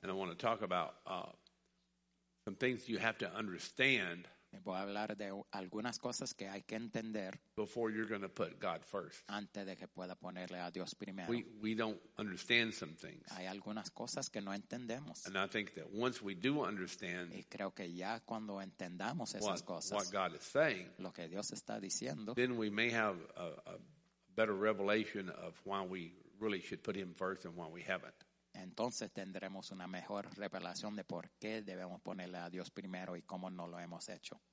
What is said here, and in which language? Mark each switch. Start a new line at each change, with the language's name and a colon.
English: And I want to talk about some things you have to understand.
Spanish: Me voy a hablar de algunas cosas que hay que entender.
English: Before you're going to put God first.
Spanish: Antes de que pueda ponerle a Dios primero.
English: We don't understand some things.
Spanish: Hay algunas cosas que no entendemos.
English: And I think that once we do understand.
Spanish: Y creo que ya cuando entendamos esas cosas.
English: What God is saying.
Spanish: Lo que Dios está diciendo.
English: Then we may have a better revelation of why we really should put Him first and why we haven't.
Spanish: Entonces tendremos una mejor revelación de por qué debemos ponerle a Dios primero y cómo no lo hemos hecho.